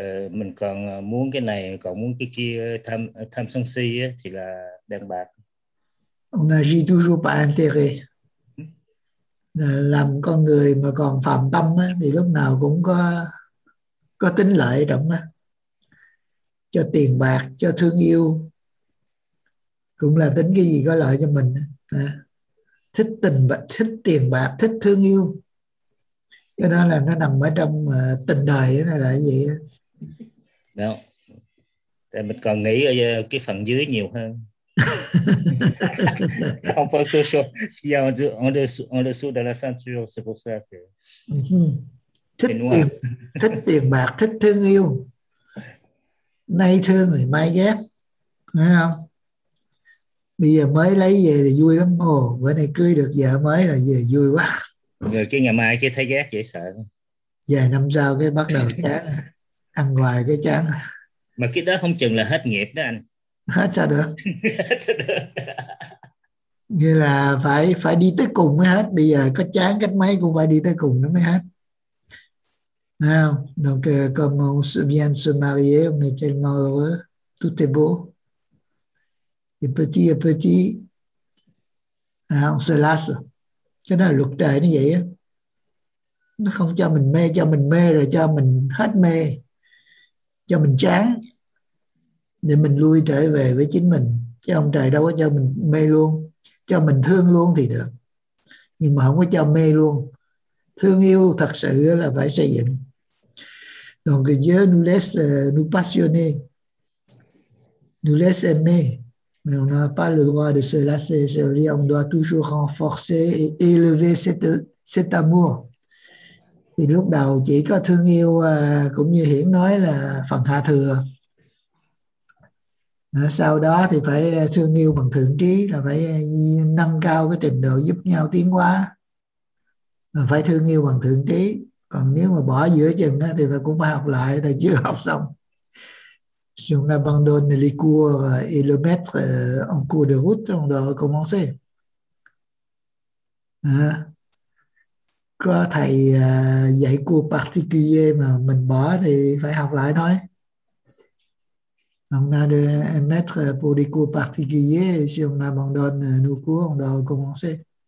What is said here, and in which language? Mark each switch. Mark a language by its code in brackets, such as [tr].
[vi] Mình còn muốn cái này, còn muốn cái kia, tham sân si thì là đen bạc. [fr] On agit toujours par intérêt. [vi] Làm con người mà còn phàm tâm á, thì lúc nào cũng có tính lợi trọng á. Cho tiền bạc, cho thương yêu cũng là tính cái gì có lợi cho mình á. Thích tiền bạc, thích thương yêu, cái đó là nó nằm ở trong tình đời đó, là cái gì đó. Thì mình còn nghĩ ở cái phần dưới nhiều hơn. [fr] On pense aux choses, ce qu'il y a en dessous de la ceinture, c'est pour ça que c'est noir. [vi] Thích tiền bạc, thích thương yêu, nay thương thì mai ghét, thấy không? Bây giờ mới lấy về thì vui lắm, ồ, bữa nay cưới được vợ mới là về vui quá. Rồi cái ngày mai cái thấy ghét dễ sợ. Vài năm sau cái bắt đầu chán, ăn hoài cái chán. Mà cái đó không chừng là hết nghiệp đó anh. Hết sao được? Như là phải đi tới cùng mới hết. Bây giờ có chán cách mấy cũng phải đi tới cùng nó mới hết. [fr] Nào, donc comme on vient de se marier, on est tellement heureux, tout est beau. Et petit à petit, on se lasse. [vi] Cái đó là luật trời như vậy á. Nó không cho mình mê, cho mình mê rồi cho mình hết mê, cho mình chán. Để mình lui trở về với chính mình. Chứ ông trời đâu có cho mình mê luôn. Cho mình thương luôn thì được. Nhưng mà không có cho mê luôn. Thương yêu thật sự là phải xây dựng. [fr] Donc Dieu nous laisse nous passionner. Nous laisse aimer. Mais on n'a pas le droit de se lasser. C'est-à-dire on doit toujours renforcer et élever cet amour. [vi] Thì lúc đầu chỉ có thương yêu cũng như Hiển nói là phần hạ thừa. Sau đó thì phải thương yêu bằng thượng trí, là phải nâng cao cái trình độ giúp nhau tiến hóa, phải thương yêu bằng thượng trí. Còn nếu mà bỏ giữa chừng thì phải cũng phải học lại, là chưa học xong. [fr] Si on abandonne les cours et le maître en cours de route, on doit recommencer. [vi] Có thầy dạy cours particulier mà mình bỏ thì phải học lại thôi. [fr] On a un maître pour des cours particuliers et si on abandonne nos cours, on doit recommencer.